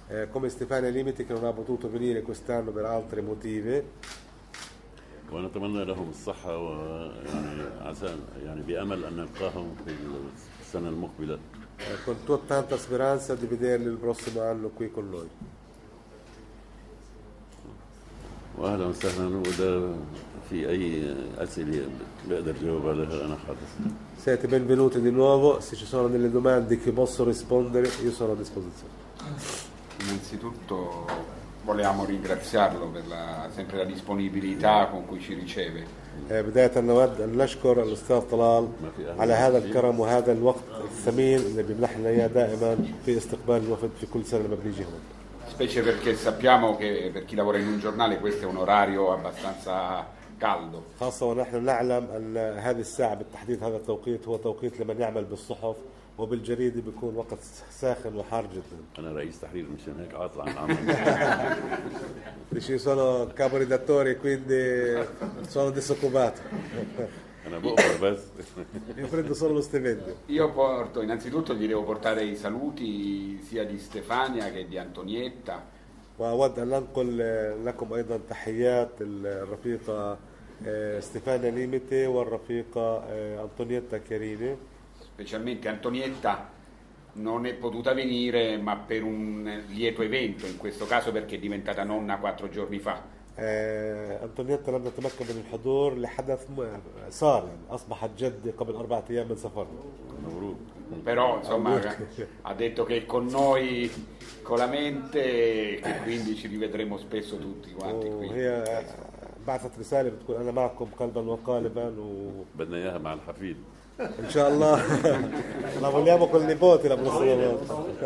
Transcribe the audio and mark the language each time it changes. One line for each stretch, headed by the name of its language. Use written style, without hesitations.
Italian: Come Stefania Limiti che non ha potuto venire quest'anno per altre motive.
Arabic: ونتمنى لهم الصحة ويعني عسى يعني بأمل أن نلقاهم في السنة المقبلة.
Italian: Con tanta speranza di vederli il prossimo anno qui con noi.
Arabic: واهلا وسهلا وده في اي اسئله بقدر اجاوب عليها انا حاضر.
Italian: Siete benvenuti di nuovo, se ci sono delle domande che posso rispondere io sono a disposizione. Innanzitutto volevamo ringraziarlo per la sempre la disponibilità con cui ci riceve.
Arabic: بدايه نود ان نشكر الاستاذ طلال على هذا الكرم وهذا الوقت الثمين اللي بيمنحنا اياه دائما في استقبال الوفد في كل سنه لما بيجي هون.
Italian: Specie perché sappiamo che per chi lavora in un giornale questo è un orario abbastanza caldo.
Arabic: خاصه ونحن نعلم ان هذه الساعه بالتحديد هذا التوقيت هو توقيت لمن يعمل بالصحف وبالجريده بيكون وقت ساخن وحار جدا. انا رئيس تحرير مشان هيك عاطل عن العمل.
Italian: Ci sono capo redattore quindi sono disoccupato.
Arabic: انا بقبر بس.
Italian: Io prendo solo lo stipendio. Io porto, innanzitutto gli devo portare i saluti sia di Stefania che di Antonietta.
Arabic: واود ان انقل لكم ايضا تحيات الرفيقه ستيفانيا ليميتي والرفيقه انطونيتا كاريني.
Italian: Specialmente Antonietta non è potuta venire ma per un lieto evento, in questo caso perché è diventata nonna quattro giorni fa.
Arabic: Antonietta لم تتمكن من الحضور لحدث صار يعني اصبحت جد قبل اربعه ايام من سفرها. مبروك.
Italian: però insomma ha detto che è con noi con la mente e quindi ci rivedremo spesso tutti quanti qui.
Arabic: بعثت رسالة بتقول أنا معكم قلبا وقالبا و بدنا إياها مع الحفيد إن شاء الله
Italian: لا vogliamo col nipote la prossima volta.